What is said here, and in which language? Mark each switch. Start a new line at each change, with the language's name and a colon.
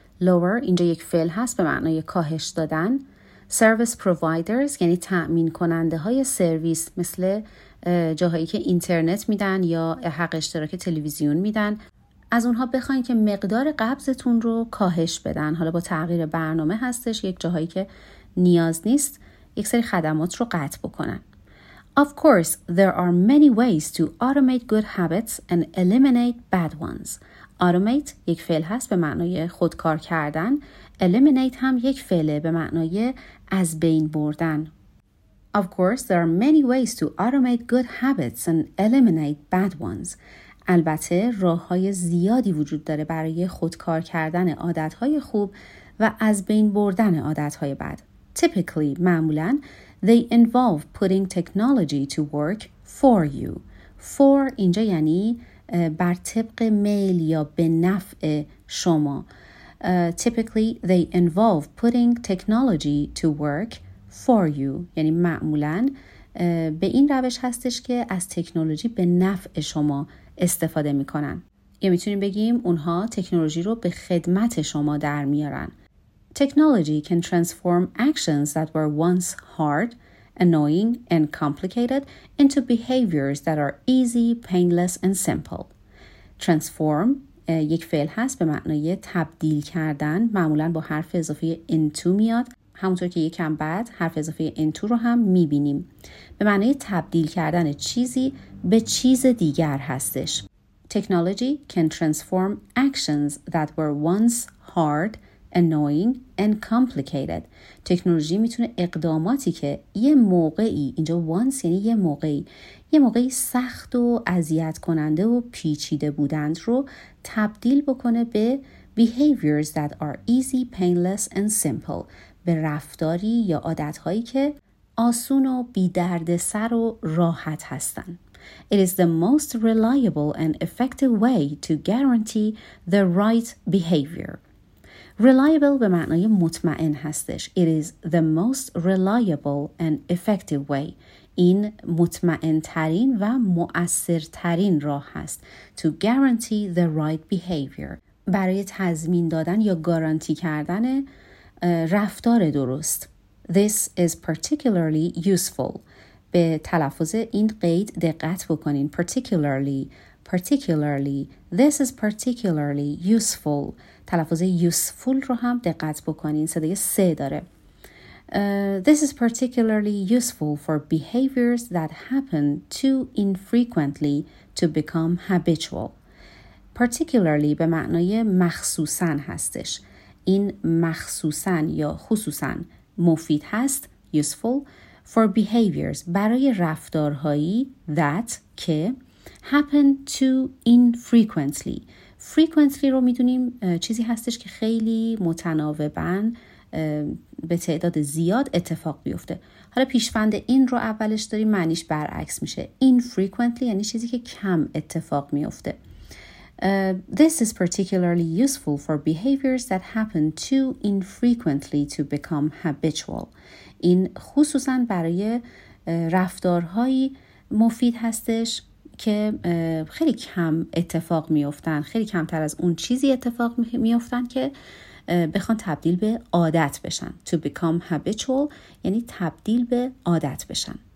Persian: Lower اینجا یک فعل هست به معنای کاهش دادن.
English: Service providers
Persian: یعنی تأمین کننده های سرویس مثل جاهایی که اینترنت میدن یا حق اشتراک تلویزیون میدن. از اونها بخواین که مقدار قبضتون رو کاهش بدن. حالا با تغییر برنامه هستش، یک جاهایی که نیاز نیست، یک سری خدمات رو قطع بکنن.
English: Of course, there are many ways to automate good habits and eliminate bad ones.
Persian: Automate یک فعل هست به معنای خودکار کردن. Eliminate هم یک فعله به معنای از بین بردن.
English: Of course, there are many ways to automate good habits and eliminate bad ones.
Persian: البته راه های زیادی وجود داره برای خودکار کردن عادت های خوب و از بین بردن عادت های بد.
English: Typically,
Persian: معمولاً,
English: they involve putting technology to work for you.
Persian: For اینجا یعنی بر طبق میل یا به نفع شما.
English: Typically, they involve putting technology to work for you.
Persian: یعنی معمولاً به این روش هستش که از تکنولوژی به نفع شما استفاده می کنن. یا می تونیم بگیم اونها تکنولوژی رو به خدمت شما در میارن.
English: Technology can transform actions that were once hard, annoying, and complicated into behaviors that are easy, painless, and simple.
Persian: Transform یک فعل هست به معنای تبدیل کردن، معمولاً با حرف اضافه into میاد، همونطور که یکم بعد حرف اضافه into رو هم میبینیم. به معنای تبدیل کردن چیزی به چیز دیگر هستش.
English: Technology can transform actions that were once hard, annoying and complicated.
Persian: تکنولوژی میتونه اقداماتی که یه موقعی، اینجا once یعنی یه موقعی سخت و اذیت کننده و پیچیده بودند رو تبدیل بکنه به
English: behaviors that are easy, painless and simple.
Persian: به رفتاری یا عادتهایی که آسون و بی درد سر و راحت هستن.
English: It is the most reliable and effective way to guarantee the right behavior.
Persian: Reliable به معنای مطمئن هستش.
English: It is the most reliable and effective way.
Persian: این مطمئن ترین و مؤثر ترین راه هست.
English: To guarantee the right behavior.
Persian: برای تضمین دادن یا گارانتی کردن رفتار درست. This is particularly useful. به تلفظ این قید دقت بکنین.
English: Particularly. This is particularly useful.
Persian: تلفظ useful رو هم دقت بکنین. صدای سه داره.
English: This is particularly useful for behaviors that happen too infrequently to become habitual.
Persian: Particularly به معنای مخصوصاً هستش. این مخصوصاً یا خصوصاً مفید هست, useful,
English: for behaviors,
Persian: برای رفتارهایی that, که,
English: happen too infrequently.
Persian: Frequently رو میدونیم چیزی هستش که خیلی متناوباً به تعداد زیاد اتفاق بیفته. حالا پیشفند این رو اولش داریم, معنیش برعکس میشه. Infrequently یعنی چیزی که کم اتفاق میفته.
English: This is particularly useful for behaviors that happen too infrequently to become habitual.
Persian: این خصوصا برای رفتارهایی مفید هستش که خیلی کم اتفاق میفتن, خیلی کمتر از اون چیزی اتفاق میفتن که بخوان تبدیل به عادت بشن.
English: To become habitual
Persian: یعنی تبدیل به عادت بشن.